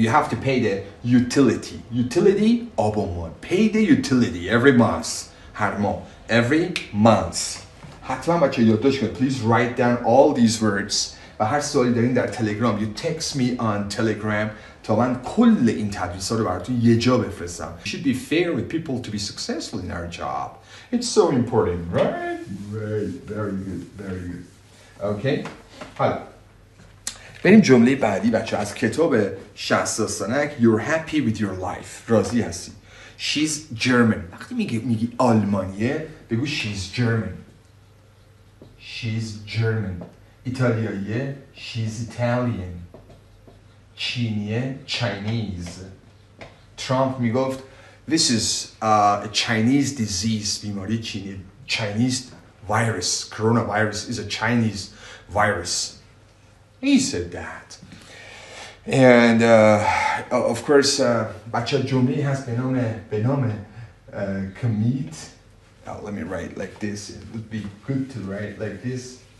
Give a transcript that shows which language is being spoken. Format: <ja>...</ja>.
<en>You have to pay the utility. Utility,</en> <fa>آب و مان.</fa> <en>Pay the utility every month.</en> <fa>هر ماه.</fa> <en>Every month.</en> <fa>حتما بچه یادداشت کنید.</fa> <en>Please write down all these words.</en> <fa>و هر سوالی دارین در تلگرام.</fa> <en>You text me on Telegram.</en> <fa>تا من کل این تدریس ها رو براتون یه جا بفرستم.</fa> <en>You should be fair with people to be successful in our job. It's so important, right? Right, very good, very good. Okay,</en> <fa>حالا بریم جمله بعدی بچه از کتاب شصت داستانک.</fa> <en>You're happy with your life.</en> <fa>راضی هستی.</fa> <en>She's German.</en> <fa>وقتی میگی آلمانیه بگو</fa> <en>She's German. She's German.</en> <fa>ایتالیاییه.</fa> <en>She's Italian.</en> <fa>چینیه.</fa> <en>Chinese.</en> <fa>ترامپ میگفت</fa> <en>This is a Chinese disease.</en> <fa>بیماری چینی.</fa> <en>Chinese virus. Coronavirus is a Chinese virus. He said that. And of course</en> <fa>بچه جمعی هست به نام commit.</fa> <en>Now let me write like this. It would be good to write like this.</en>